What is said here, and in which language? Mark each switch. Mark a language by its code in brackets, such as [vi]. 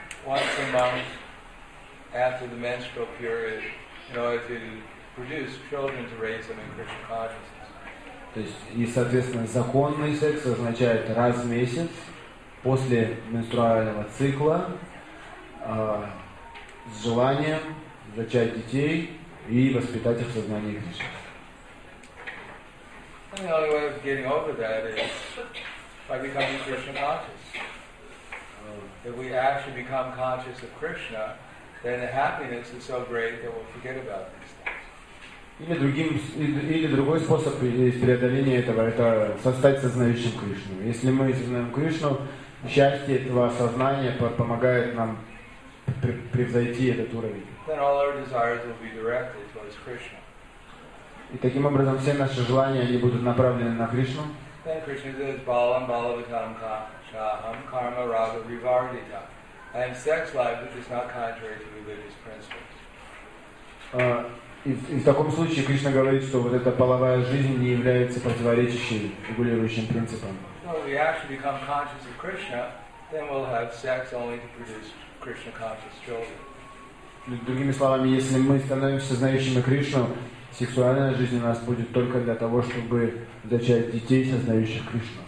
[en] Once a month, after the menstrual period, in order to produce children to raise them in Krishna consciousness. [ru] То есть, и соответственно, законный секс означает раз в месяц после менструального цикла с желанием зачать детей и воспитать их в сознании Кришны. [en] The only way of getting over that is by becoming Krishna conscious. If we actually become conscious of Krishna, then the happiness is so great that we'll forget about these things. [ru] Или другой способ преодоления этого — это стать сознающим Кришну. Если мы сознаем Кришну, счастье этого осознания помогает нам превзойти этот уровень. [en] Then all our desires will be directed towards Krishna. [ru] И таким образом все наши желания они будут направлены на Кришну. [en] Then Krishna says, [sa] Balam Balavatam Kaham Karma Raga Vivardita. [en] And sex life which is not contrary to religious principles. [ru] И в таком случае Кришна говорит, что вот эта половая жизнь не является противоречащей регулирующим принципам. [en] So if we actually become conscious of Krishna, then we'll have sex only to produce Krishna conscious children. [ru] Другими словами, если мы становимся знающими Кришну, сексуальная жизнь у нас будет только для того, чтобы зачать детей, сознающих Кришну.